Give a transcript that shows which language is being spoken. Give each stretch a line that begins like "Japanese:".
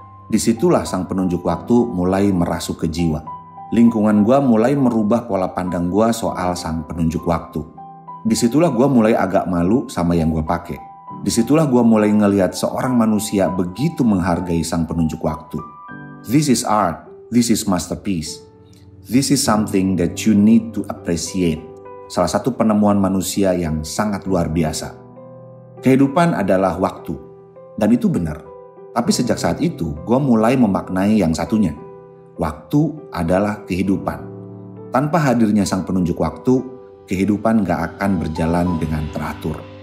Indonesian: Disitulah sang penunjuk waktu mulai merasuk ke jiwa. Lingkungan gue mulai merubah pola pandang gue soal sang penunjuk waktu. Disitulah gue mulai agak malu sama yang gue pakai. Disitulah gue mulai ngelihat seorang manusia begitu menghargai sang penunjuk waktu.
English: This is art. This is masterpiece. This is something that you need to appreciate.
Indonesian: Salah satu penemuan manusia yang sangat luar biasa. Kehidupan adalah waktu. Dan itu benar. Tapi sejak saat itu, gue mulai memaknai yang satunya. Waktu adalah kehidupan. Tanpa hadirnya sang penunjuk waktu, kehidupan gak akan berjalan dengan teratur.